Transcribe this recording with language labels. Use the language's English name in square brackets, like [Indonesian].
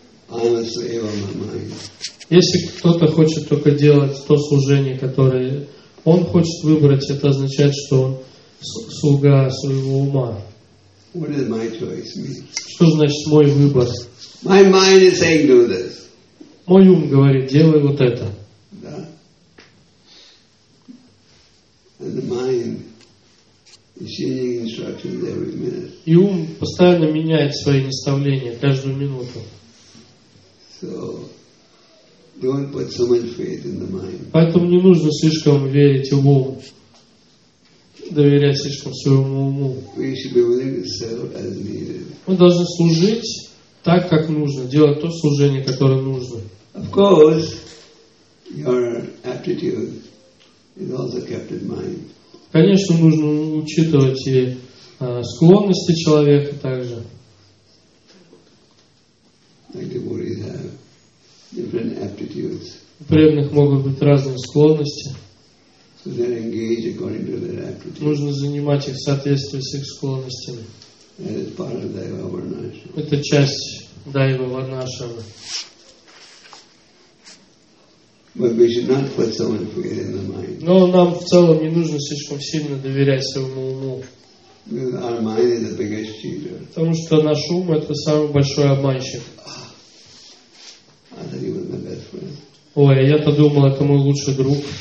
[Russian] Если кто-то хочет только делать то служение, которое он хочет выбрать, это означает, что он слуга своего ума. [English] What does my choice mean? [Russian] Что значит мой выбор? [English] My mind is saying, do this. [Russian] Мой ум говорит, делай вот это. Да. [English] And the mind is changing instructions every minute. [Russian] И ум постоянно меняет свои наставления каждую минуту. [English] So, don't put so much faith in the mind. [Russian] Поэтому не нужно слишком верить уму. Доверять слишком своему уму. Мы должны служить так, как нужно, делать то служение, которое нужно. [English] Of course, your aptitude is also kept in mind. [Russian] Конечно, нужно учитывать и склонности человека также. У преданных могут быть разные склонности. [English] So then engage according to their aptitude. [Russian] Нужно занимать их в соответствии с их склонностями. [English] And it's part of Daiva Varnashrama. [Russian] Это часть Daiva Varnashrama. [English] But we should not put so much faith in the mind. [Russian] Но нам в целом не нужно слишком сильно доверять своему уму. [English] Because our mind is the biggest cheater. [Russian] Потому что наш ум это самый большой обманщик. [English] I thought he was my best friend. [Russian] Ой, я-то думал, это мой лучший друг.